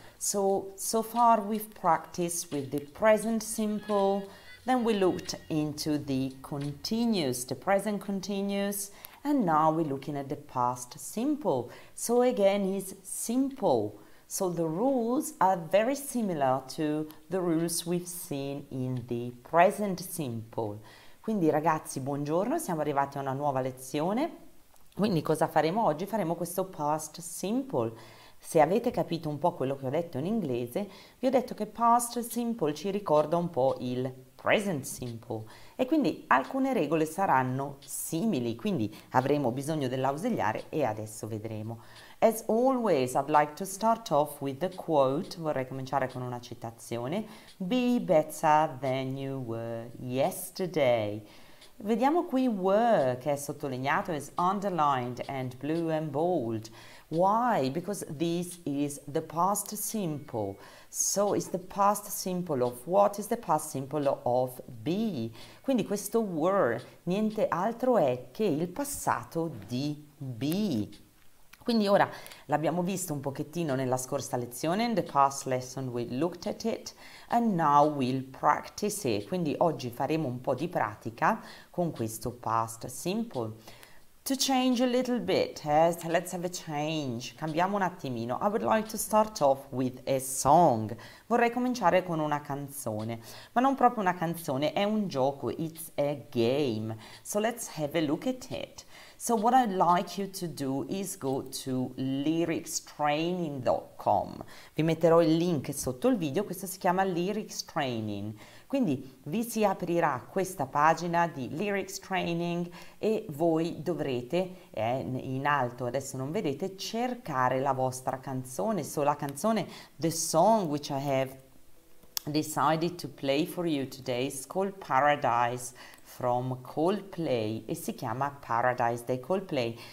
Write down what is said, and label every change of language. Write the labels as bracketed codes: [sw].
[en] So far we've practiced with the present simple, then we looked into the continuous, the present continuous, and now we're looking at the past simple. So again, it's simple. So the rules are very similar to the rules we've seen in the present simple. [it] Quindi ragazzi, buongiorno, siamo arrivati a una nuova lezione. Quindi cosa faremo oggi? Faremo questo past simple. Se avete capito un po' quello che ho detto in inglese, vi ho detto che past simple ci ricorda un po' il present simple. E quindi alcune regole saranno simili, quindi avremo bisogno dell'ausiliare e adesso vedremo. [en] As always, I'd like to start off with a quote. [it] Vorrei cominciare con una citazione. [en] Be better than you were yesterday. [it] Vediamo qui were, che è sottolineato, [en] is underlined and blue and bold. Why? Because this is the past simple. So it's the past simple of what? Is the past simple of be. [it] Quindi questo were niente altro è che il passato di be. Quindi ora l'abbiamo visto un pochettino nella scorsa lezione, [en] in the past lesson we looked at it, and now we'll practice it. [it] Quindi oggi faremo un po' di pratica con questo past simple. [en] To change a little bit, let's have a change. [it] Cambiamo un attimino. [en] I would like to start off with a song. [it] Vorrei cominciare con una canzone, ma non proprio una canzone, è un gioco, [en] it's a game. So let's have a look at it. So what I'd like you to do is go to lyricstraining.com. [it] Vi metterò il link sotto il video, questo si chiama Lyrics Training. Quindi vi si aprirà questa pagina di Lyrics Training e voi dovrete, in alto, adesso non vedete, cercare la vostra canzone. [en] So [it] la canzone, [en] the song which I have decided to play for you today is called Paradise from Coldplay [it] e si chiama Paradise dei Coldplay.